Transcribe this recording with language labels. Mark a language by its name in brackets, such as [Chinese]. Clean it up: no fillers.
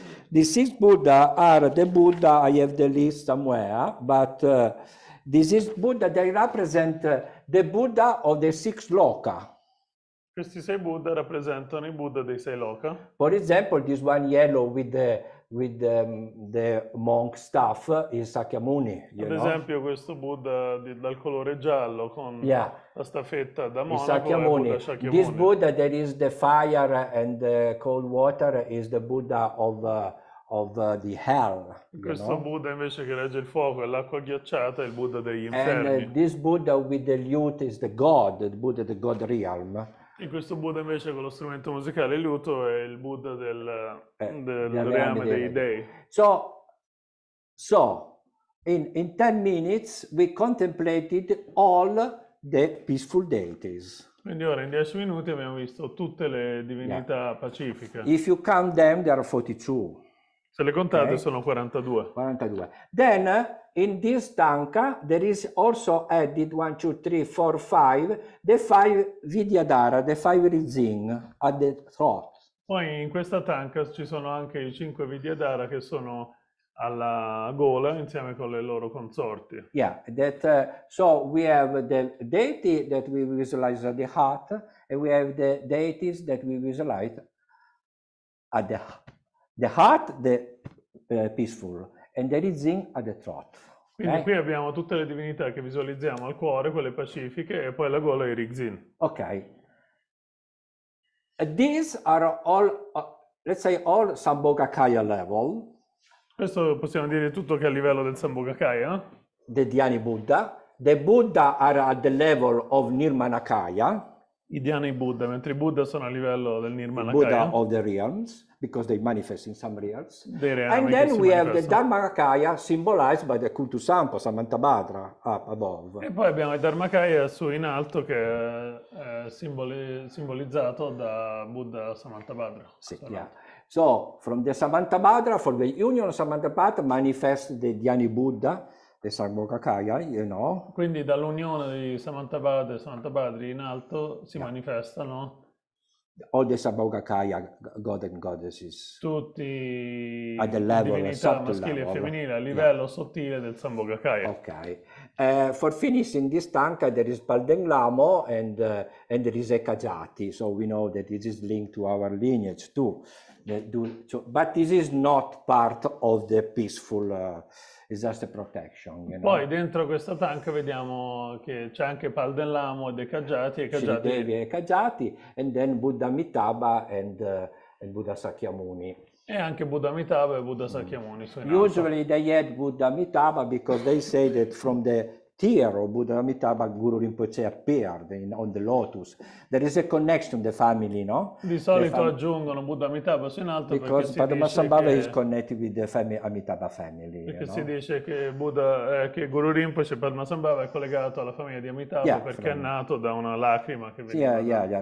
[English] the six Buddha are the Buddha, I have the list somewhere, but these six Buddha, they represent the Buddha of the six loka. [Italian] Questi sei Buddha rappresentano i Buddha dei sei loka. [English] For example, this one yellow with the monk stuff in Sakyamuni. [Italian] Ad esempio, questo Buddha dal colore giallo con la staffetta da monaco. Sakyamuni. [English] This Buddha that is the fire and the cold water is the Buddha of the hell. [Italian] Questo Buddha invece che regge il fuoco e l'acqua ghiacciata è il Buddha degli infermi. [English] And this Buddha with the lute is the god, the Buddha, the god realm. [Italian] E questo Buddha invece con lo strumento musicale liuto è il Buddha del reame dei dei. [English] So in 10 minutes we contemplated all the peaceful deities. [Italian] Quindi ora in 10 minuti abbiamo visto tutte le divinità pacifiche. [English] If you count them there are 42. [Italian] Se le contate sono 42. 42. [English] Then in this tanka there is also added 1 2 3 4 5 the five vidyadhara, the five rizing at the throat. [Italian] Poi in questa tanka ci sono anche i 5 vidyadhara che sono alla gola insieme con le loro consorti. [English] So we have the deity that we visualize at the heart and we have the deities that we visualize at the heart, the peaceful, and the rising at the throat. [Italian] Quindi qui abbiamo tutte le divinità che visualizziamo al cuore, quelle pacifiche, e poi la gola e i rizin. Ok. [English] These are all, let's say, all Sambhogakaya level. [Italian] Questo possiamo dire tutto che è a livello del Sambhogakaya. [English] The Dhyani Buddha. The Buddha are at the level of Nirmanakaya. [Italian] I Dhyani Buddha, mentre i Buddha sono a livello del Nirmanakaya. [English] Buddha of the realms. Because they manifest in some realms. And then we have the Dharmakaya symbolized by the Kultusampa, Samantabhadra, up above. [Italian] E poi abbiamo il Dharmakaya su in alto che è simbolizzato da Buddha Samantabhadra. [English] Sì, So, from the Samantabhadra, for the union of Samantabhadra, manifest the Dhyani Buddha, the Sambhogakaya, you know. [Italian] Quindi dall'unione di Samantabhadra e Samantabhadri in alto si manifestano [English] all the Sambhogakaya god and goddesses. [Italian] Tutti [English] at the level, [Italian] divinità maschile level. E femminile a livello sottile del Sambhogakaya. [English] Okay. For finishing this tanka there is Palden Lamo and there is Ekajati, so we know that this is linked to our lineage too. But this is not part of the peaceful disaster protection. You know? [Italian] Poi dentro questa tanka vediamo che c'è anche Palden Lamo e Ekajati. [English] Devi e Ekajati, and then Buddha Amitabha and Buddha Sakyamuni. [Italian] E anche Buddha Amitabha e Buddha Sakyamuni. [English] Usually they add Buddha Amitabha because they say that from the tear of Buddha Amitabha, Guru Rinpoche appeared on the lotus. There is a connection, the family, no? [Italian] Di solito aggiungono Buddha Amitabha su in alto [English] because Padmasambhava is connected with the Amitabha family. [Italian] Perché no? Si dice che Buddha, che Guru Rinpoche, Padmasambhava è collegato alla famiglia di Amitabha perché è nato da una lacrima che veniva.